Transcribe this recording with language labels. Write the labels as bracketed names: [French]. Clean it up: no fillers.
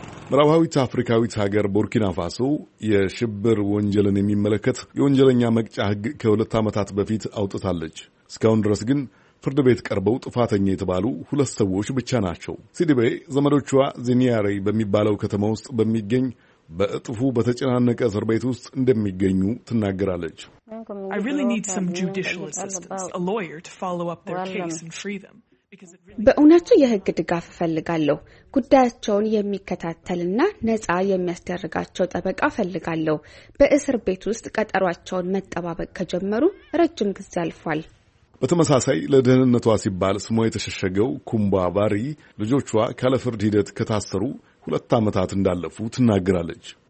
[Amharic] ምዕራባዊት አፍሪካዊት ሀገር ቡርኪና ፋሶ የሽብር ወንጀልን የሚመለከት የወንጀለኛ መቅጫ ሕግ ከሁለት ዓመታት በፊት አውጥታለች። እስካሁን ድረስ ግን ፍርድ ቤት ቀርበው ጥፋተኛ የተባሉ 2 ሰዎች ብቻ ናቸው። ሲዲቤ ዘመዶቿ ዚኒያሬ በሚባለው ከተማ ውስጥ በሚገኝ በእጥፉ በተጨናነቀ እስር ቤት ውስጥ እንደሚገኙ ትናገራለች። [English] I really need some judicial assistance, a lawyer to follow up their case and free them. [Amharic] በእውነቱ የህግ ድጋፍ ፈልጋለሁ። ጉዳያቸውን የሚከታተልና ነፃ የሚያስደርጋቸው ጠበቃ ፈልጋለሁ። በእስር ቤት ውስጥ ቀጠሯቸውን መጠባበቅ ከጀመሩ ረጅም ጊዜ አልፏል። በተመሳሳይ ለደህንነቷ ሲባል ስሟ የተሸሸገው ኩምባ ባሪ ልጆቿ ካለፍርድ ሂደት ከታሰሩ 2 አመታት እንዳለፉ ትናገራለች።